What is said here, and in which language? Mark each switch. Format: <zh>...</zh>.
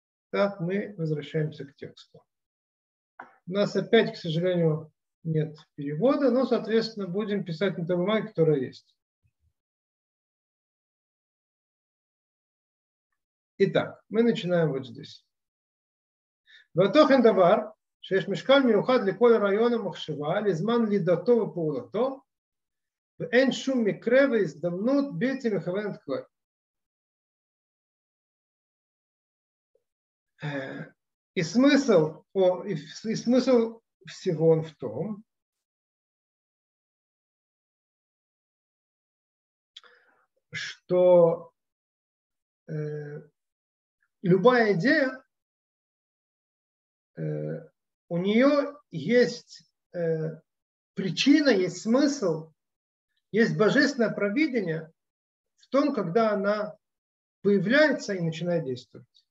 <ru>Так, мы возвращаемся к тексту. У нас опять, к сожалению, нет перевода, но, соответственно, будем писать на той бумаге, которая есть. Итак, мы начинаем вот здесь.</ru> <he>Ватохен давар. שיש משקל מיוחד לכל רעיון המחשבה, לזמן לידתו ופעולתו, ואין שום מקרה והזדמנות בלתי מכוונת כלל.</he> <ru>И смысл всего он в том, что любая идея у нее есть причина, есть смысл, есть божественное провидение в том, когда она появляется и начинает действовать.</ru>